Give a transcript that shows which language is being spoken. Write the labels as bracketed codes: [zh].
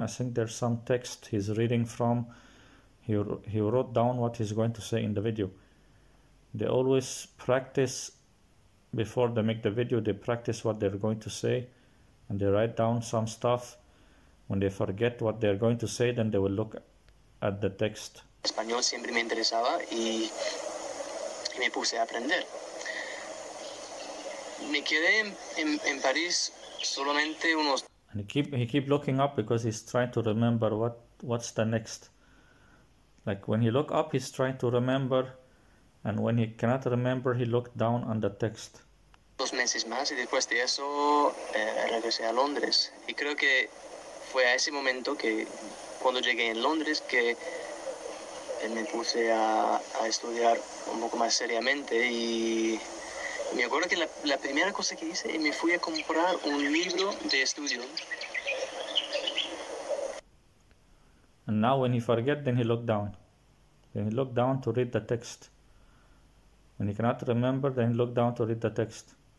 [en] I think there's some text he's reading from. He wrote down what he's going to say in the video. They always practice before they make the video. They practice what they're going to say, and they write down some stuff. When they forget what they're going to say, then they will look at the text. [es] Español siempre me interesaba y me puse a aprender. Me quedé en París solamente unos. [en] And he keep looking up because he's trying to remember what's the next. Like when he look up, he's trying to remember, and when he cannot remember, he look down on the text. [es] 2 meses más y después de eso regresé a Londres y creo que fue a ese momento que cuando llegué en Londres que me puse a estudiar un poco más seriamente y me acuerdo que la primera cosa que hice me fui a comprar un libro de estudio. [en] And now when he forget, then he look down. Then he look down to read the text. When he cannot remember, then he look down to read the text.